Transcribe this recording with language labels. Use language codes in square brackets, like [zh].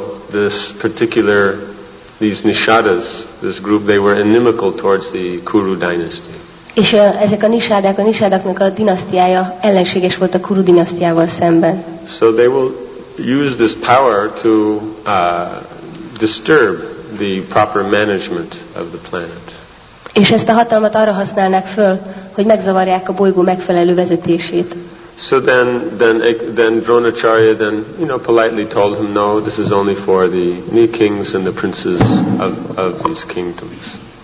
[en] These Nishadas, this group, they were inimical towards the Kuru dynasty. [hu] És ezek a Nishadák, a Nishadáknak a dinasztiája ellenséges volt a Kuru dinasztiával szemben. [en] So they will use this power to disturb the proper management of the planet. [hu] És ezt a hatalmat arra használnák föl, hogy megzavarják a bolygó megfelelő vezetését. [en] So then Dronacharya then politely told him, no, this is only for the new kings and the princes of these kingdoms.